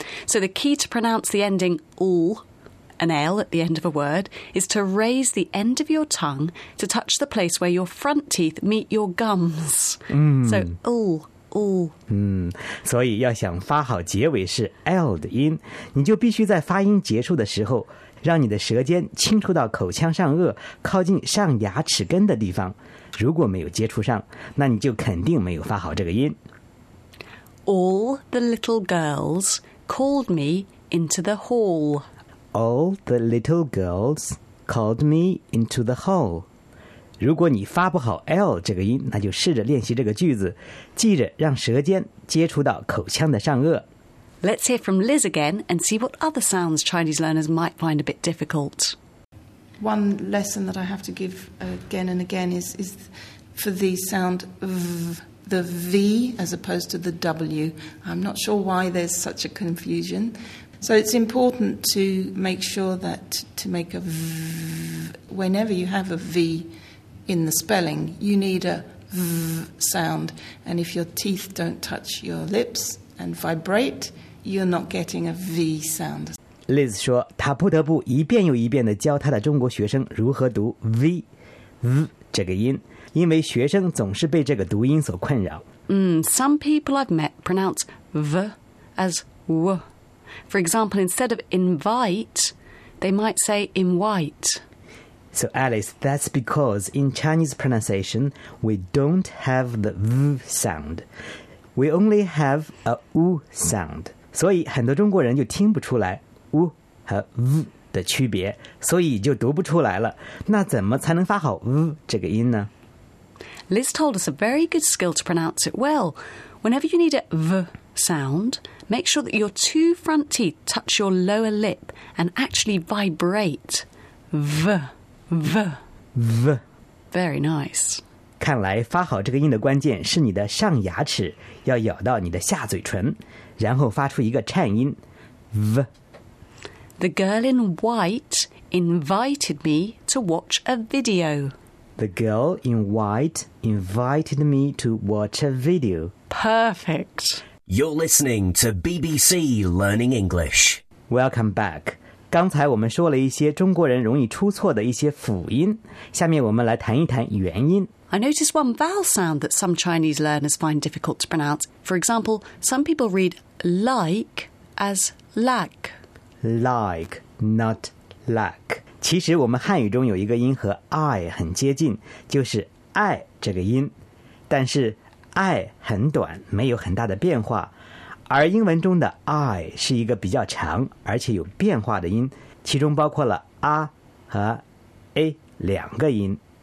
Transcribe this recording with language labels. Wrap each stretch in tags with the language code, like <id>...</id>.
<en>So the key to pronounce the ending all, an L at the end of a word, is to raise the end of your tongue to touch the place where your front teeth meet your gums. So all, all.</en> <zh>所以要想发好结尾是 L 的音，你就必须在发音结束的时候，让你的舌尖轻触到口腔上颚，靠近上牙齿根的地方。如果没有接触上，那你就肯定没有发好这个音。</zh> <en>All the little girls called me into the hall. All the little girls called me into the hall.</en> <zh>如果你发不好 L 这个音，那就试着练习这个句子，记着让舌尖接触到口腔的上颚。</zh> <en>Let's hear from Liz again and see what other sounds Chinese learners might find a bit difficult. One lesson that I have to give again and again is for the sound the V as opposed to the W. I'm not sure why there's such a confusion. So it's important to make sure that to make a V, whenever you have a V in the spelling, you need a V sound. And if your teeth don't touch your lips and vibrate, you're not getting a V sound.</en> <zh>Liz 说她不得不一遍又一遍地教她的中国学生如何读 V, V 这个音，因为学生总是被这个读音所困扰。</zh> <en>Some people I've met pronounce V as W. For example, instead of invite, they might say invite. So Alice, that's because in Chinese pronunciation, we don't have the V sound. We only have a U sound.</en> <zh>所以很多中国人就听不出来U 和 V 的区别，所以就读不出来了。那怎么才能发好 V 这个音呢？</zh> <en>Liz told us a very good skill to pronounce it well. Whenever you need a V sound, make sure that your two front teeth touch your lower lip and actually vibrate. V, V, V. Very nice.</en> <zh>看来发好这个音的关键是你的上牙齿要咬到你的下嘴唇，然后发出一个颤音 V.</zh> <en>The girl in white invited me to watch a video. The girl in white invited me to watch a video. Perfect. You're listening to BBC Learning English. Welcome back.</en> <zh>刚才我们说了一些中国人容易出错的一些辅音，下面我们来谈一谈元音。</zh> <en>I noticed one vowel sound that some Chinese learners find difficult to pronounce. For example, some people read like as lack. Like, not lack.</en> <zh>其实我们汉语中有一个音和 I 很接近，就是 I 这个音，但是 I 很短，没有很大的变化。而英文中的 I 是一个比较长而且有变化的音，其中包括了 A 和 A 两个音。</zh>